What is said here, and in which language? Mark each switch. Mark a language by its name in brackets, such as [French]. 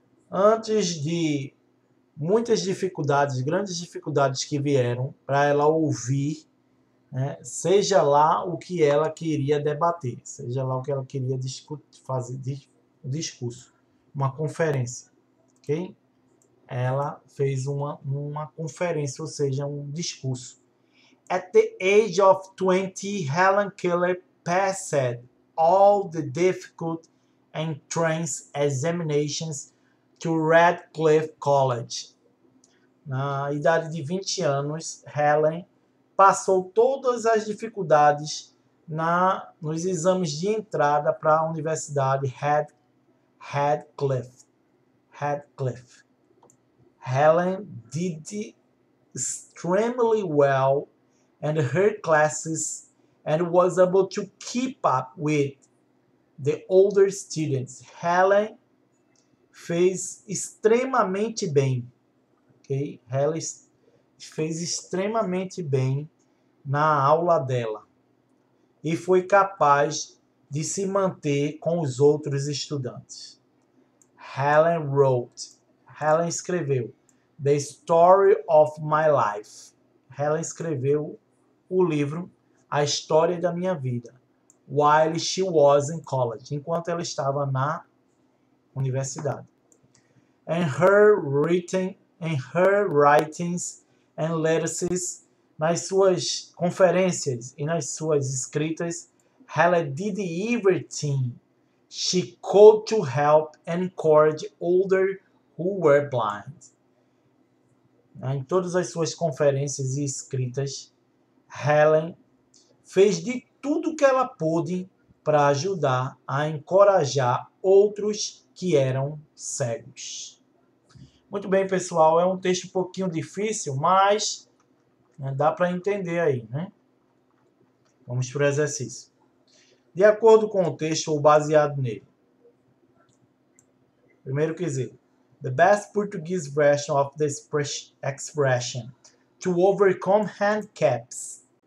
[Portuguese] Antes de muitas dificuldades, grandes dificuldades que vieram para ela ouvir, né, seja lá o que ela queria debater, seja lá o que ela queria discutir, fazer um discurso. Uma conferência, ok? ela fez uma conferência, ou seja, um discurso. [English] At the age of 20, Helen Keller passed all the difficult entrance examinations to Radcliffe College. [Portuguese] Na idade de 20 anos, Helen passou todas as dificuldades nos exames de entrada para a Universidade Radcliffe. [English] Helen did extremely well in her classes and was able to keep up with the older students. [Portuguese] Helen fez extremamente bem. Okay? Ela fez extremamente bem na aula dela e foi capaz de se manter com os outros estudantes. Helen escreveu The Story of My Life. Helen escreveu o livro A História da Minha Vida, [English] While She Was in College, [Portuguese] enquanto ela estava na universidade. [English] In her writings and letters, [Portuguese] nas suas conferências e nas suas escritas, [English] Helen did everything she could to help and encourage older who were blind. [Portuguese] Em todas as suas conferências e escritas, Helen fez de tudo que ela pôde para ajudar a encorajar outros que eram cegos. Muito bem, pessoal, é um texto um pouquinho difícil, mas dá para entender aí, né? Vamos para o exercício. De acordo com o texto ou baseado nele. Primeiro quesito. [English] The best Portuguese version of the expression to overcome handicaps.